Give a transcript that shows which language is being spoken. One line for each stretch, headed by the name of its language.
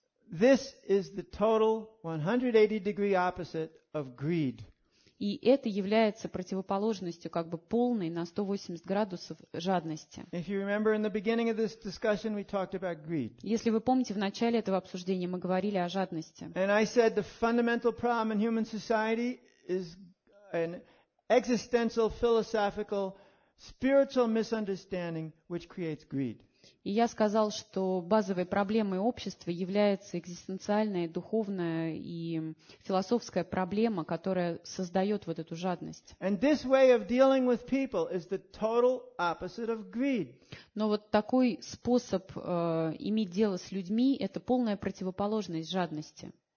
English: This is the total 180-degree opposite of greed.
Russian: И это является противоположностью, как бы полной на 180 градусов жадности.
English: If you remember, in the beginning of this discussion, we talked about greed.
Russian: Если вы помните, в начале этого обсуждения мы говорили о жадности.
English: And I said the fundamental problem in human society is an existential, philosophical, spiritual misunderstanding which creates greed.
Russian: И я сказал, что базовой проблемой общества является экзистенциальная, духовная и философская проблема, которая создает вот эту жадность. Но вот такой способ иметь дело с людьми – это полная противоположность жадности.